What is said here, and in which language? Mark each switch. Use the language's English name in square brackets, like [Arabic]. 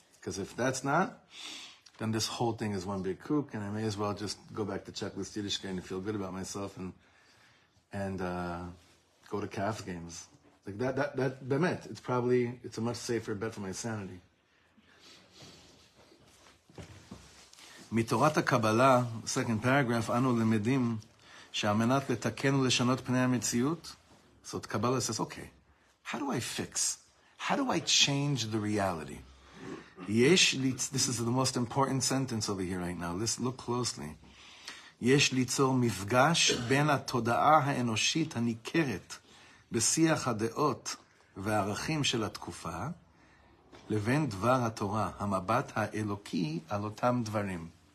[English] Because if that's not, then this whole thing is one big kook, and I may as well just go back to checklist Yiddishkeit and feel good about myself and go to calf games. Like that bemet, it's a much safer bet for my sanity. [Hebrew] מתורת הקבלה, [English] second paragraph, [Hebrew] אנו למדים שהמנת לתקן ולשנות פני המציאות. [English] So the Kabbalah says, okay, how do I fix? How do I change the reality? [Hebrew] יש ליצור, [English] this is the most important sentence over here right now. Listen, look closely. [Hebrew] יש ליצור מפגש בין התודעה האנושית הניכרת בשיח הדעות והערכים של התקופה לבין דבר התורה, המבט האלוקי על אותם דברים.